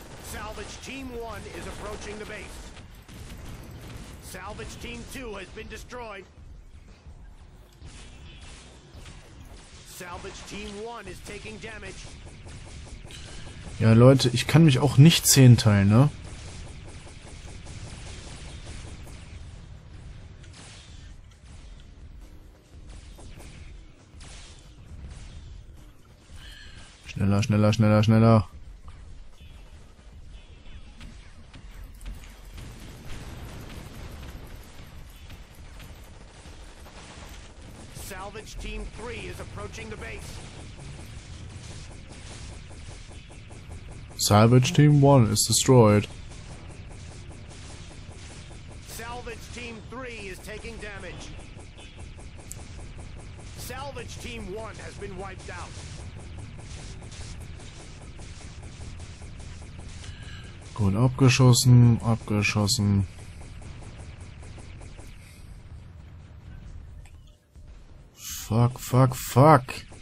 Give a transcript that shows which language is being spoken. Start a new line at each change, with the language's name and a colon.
English: Salvage Team 1 is approaching the base. Salvage Team 2 has been destroyed. Salvage Team 1 is taking damage.
German: Ja, Leute, ich kann mich auch nicht 10 teilen, ne? Schneller, schneller, schneller, schneller.
English: Salvage Team 3 is approaching the base. Salvage Team 1 is destroyed. Salvage Team 3 is taking damage. Salvage Team 1 has been wiped out.
German: Gut, abgeschossen, abgeschossen.
English: Fuck, fuck, fuck.